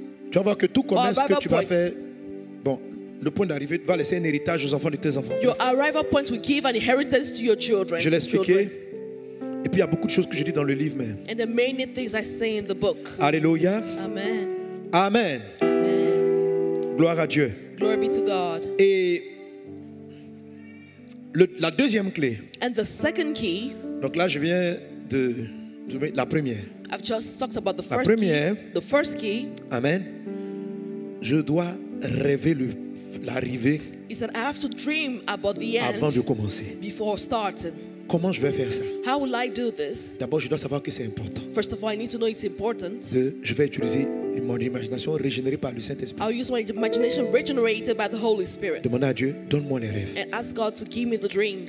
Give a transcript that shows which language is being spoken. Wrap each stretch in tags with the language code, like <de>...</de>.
<fr>Tu vas voir que tout commerce que tu vas faire, bon, le point d'arrivée va laisser un héritage aux enfants de tes enfants.</fr> <en>Your arrival point will give an inheritance to your children.</en> <fr>Je l'expliquais. Et puis il y a beaucoup de choses que je dis dans le livre, mais.</fr> <en>And the many things I say in the book. Alléluia. Amen. Amen. Amen.</en> <fr>Gloire à Dieu.</fr> <en>Glory be to God.</en> <fr>Et la deuxième clé.</fr> <en>And the second key.</en> <fr>Donc là, je viens de la première.</fr> <en>I've just talked about the</en> <fr>la</fr> <en>first</en> <fr>première,</fr> <en>key. The first key.</en> <fr>Amen. Je dois rêver l'arrivée.</fr> <en>He said, I have to dream about the end.</en> <fr>Avant de commencer.</fr> <en>Before starting.</en> <fr>Comment je vais faire ça?</fr> <en>How will I do this?</en> <fr>D'abord, je dois savoir que c'est important.</fr> <en>First of all, I need to know it's important.</en> <fr>Je vais utiliser mon imagination régénérée par le Saint-Esprit.</fr> <en>I'll use my imagination regenerated by the Holy Spirit.</en> <fr>Demande à Dieu, donne-moi les rêves.</fr> <en>And ask God to give me the dreams.</en>